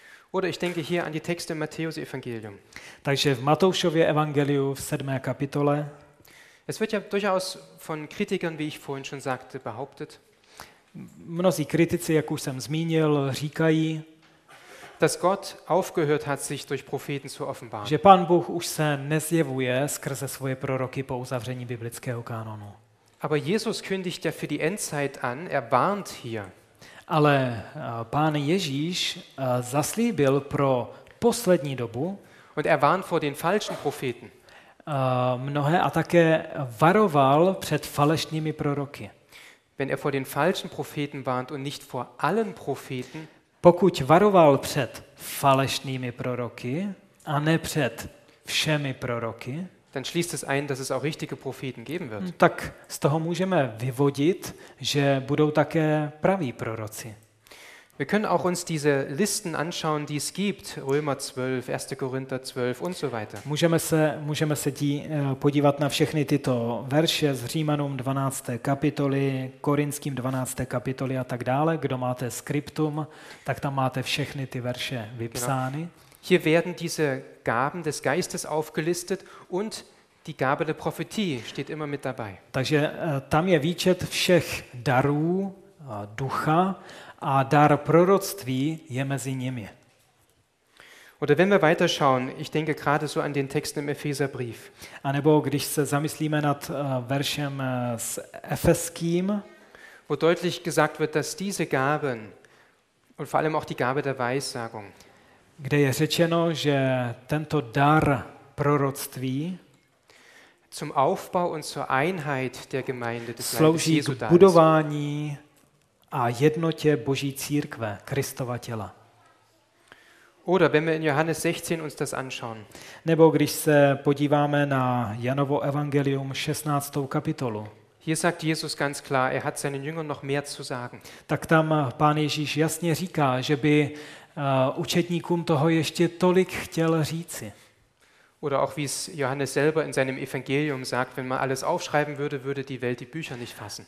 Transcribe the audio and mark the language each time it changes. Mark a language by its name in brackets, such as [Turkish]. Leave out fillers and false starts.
[German] Oder ich denke hier an die Texte im Matthäus Evangelium. [Czech] Takže v Matoušově evangeliu v 7. kapitole. [German] Es wird ja durchaus von Kritikern, wie ich vorhin schon sagte, behauptet. [Czech] Mnozí kritici, jak už jsem zmínil, říkají, [German] dass Gott aufgehört hat, sich durch Propheten zu offenbaren. [Czech] Že Pán Bůh už se nezjevuje skrze svoje proroky po uzavření biblického kánonu. [German] Aber Jesus kündigt ja für die Endzeit an, er warnt hier. [Czech] Ale Pán Ježíš zaslíbil pro poslední dobu. [German] Und er warnt vor den falschen Propheten. [Czech] Mnohé a také varoval před falešnými proroky. [German] Wenn er vor den falschen Propheten warnt und nicht vor allen Propheten, [Czech] pokud varoval před falešnými proroky a ne před všemi proroky, [German] dann schließt es ein, dass es auch richtige Propheten geben wird. [Czech] Tak z toho můžeme vyvodit, že budou také praví proroci. [German] Wir können auch uns diese Listen anschauen, die es gibt, Römer 12, 1. Korinther 12 und so weiter. [Czech] Můžeme se podívat na všechny tyto verše z Římanům 12. kapitoly, Korinským 12. kapitoly a tak dále. Kdo máte skriptum, tak tam máte všechny ty verše vypsány. [German] Genau. Hier werden diese Gaben des Geistes aufgelistet und die Gabe der Prophetie steht immer mit dabei. [Czech] Takže tam je výčet všech darů ducha a dar proroctví je mezi nimi. [German] Oder wenn wir weiter schauen, ich denke gerade so an den Text im Epheserbrief. [Czech] A nebo když se zamyslíme nad veršem s Efeským, [German] wo deutlich gesagt wird, dass diese Gaben und vor allem auch die Gabe der Weissagung, [Czech] kde je řečeno, že tento dar proroctví [German] zum Aufbau und zur Einheit der Gemeinde des Leibes Jesu dar. [Czech] Slouží k budování a jednotě Boží církve, Kristova těla. [German] Oder wenn wir in Johannes 16 uns das anschauen. [Czech] Nebo když se podíváme na Janovo evangelium 16. kapitolu. [German] Hier sagt Jesus ganz klar, er hat seinen Jüngern noch mehr zu sagen. [Czech] Tak tam Pán Ježíš jasně říká, že by učedníkům toho ještě tolik chtěl říci. [German] Oder auch wie es Johannes selber in seinem Evangelium sagt, wenn man alles aufschreiben würde, würde die Welt die Bücher nicht fassen.